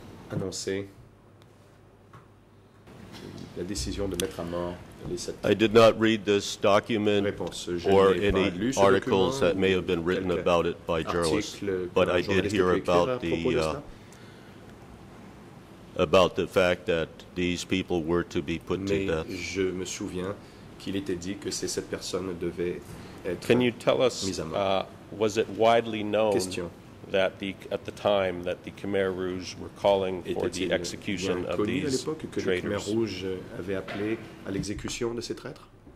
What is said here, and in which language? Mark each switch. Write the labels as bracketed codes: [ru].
[fr] Annoncé la décision de mettre à mort. [en] I did not read this document or any articles [fr] document, [en] that may have been written about it by journalists, [fr] article, [en] but I did hear about the about the fact that these people were to be put [fr] Mais [en] to death. [fr] Je me souviens qu'il était dit que ces sept personnes devaient être [en] Can you tell us, [fr] mises à mort. [en] Was it widely known Question. That the, at the time that the Khmer Rouge were calling for the execution of these traitors? [fr] Était-il bien connu à l'époque que les Khmer Rouge avaient appelé à l'exécution de ces traîtres?